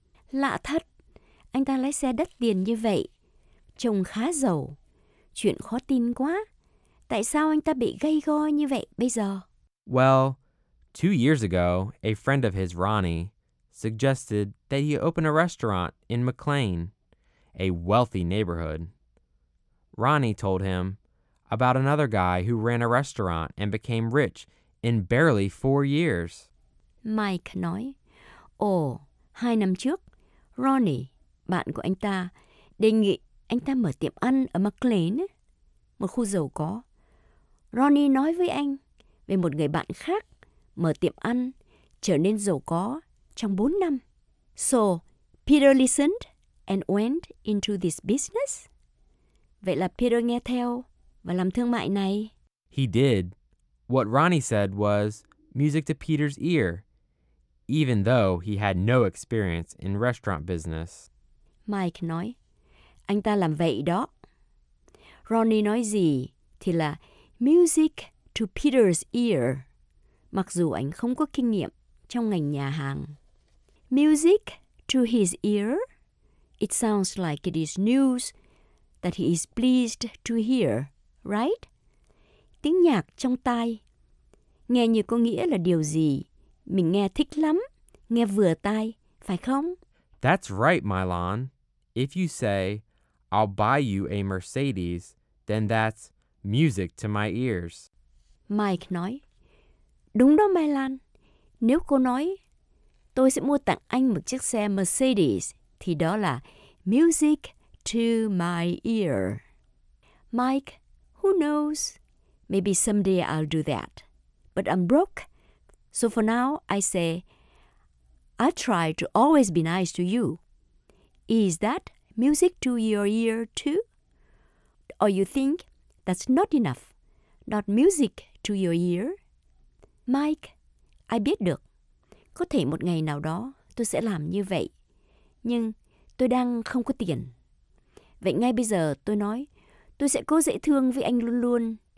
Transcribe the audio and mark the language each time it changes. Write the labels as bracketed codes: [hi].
[vi] Lạ thật, anh ta lái xe đắt tiền như vậy, trông khá giàu. Chuyện khó tin quá. Tại sao anh ta bị gay go như vậy bây giờ? [en] Well, 2 years ago, a friend of his, Ronnie, suggested that he open a restaurant in McLean, a wealthy neighborhood. Ronnie told him about another guy who ran a restaurant and became rich in barely 4 years. [vi] Mike nói, ồ, 2 năm trước, Ronnie, bạn của anh ta, đề nghị anh ta mở tiệm ăn ở McLean, một khu giàu có. Ronnie nói với anh về một người bạn khác mở tiệm ăn, trở nên giàu có trong 4 năm. [en] So, Peter listened and went into this business? [vi] Vậy là Peter nghe theo và làm thương mại này. [en] He did. What Ronnie said was music to Peter's ear, even though he had no experience in restaurant business. [vi] Mike nói, anh ta làm vậy đó. Ronnie nói gì thì là music to Peter's ear, mặc dù anh không có kinh nghiệm trong ngành nhà hàng. [en] Music to his ear? It sounds like it is news that he is pleased to hear, right? [vi] Tiếng nhạc trong tai. Nghe như có nghĩa là điều gì mình nghe thích lắm, nghe vừa tai, phải không? [en] That's right, Milan. If you say, I'll buy you a Mercedes, then that's music to my ears. [vi] Mike nói, đúng đó, Milan. Nếu cô nói, tôi sẽ mua tặng anh một chiếc xe Mercedes, thì đó là [en] music to my ear. Mike, who knows? Maybe someday I'll do that. But I'm broke. So for now, I say, I try to always be nice to you. Is that music to your ear too? Or you think that's not enough? Not music to your ear? Mike, I [vi] biết được. Có thể một ngày nào đó tôi sẽ làm như vậy. Nhưng tôi đang không có tiền. Vậy ngay bây giờ tôi nói, tôi sẽ cố dễ thương với anh luôn luôn.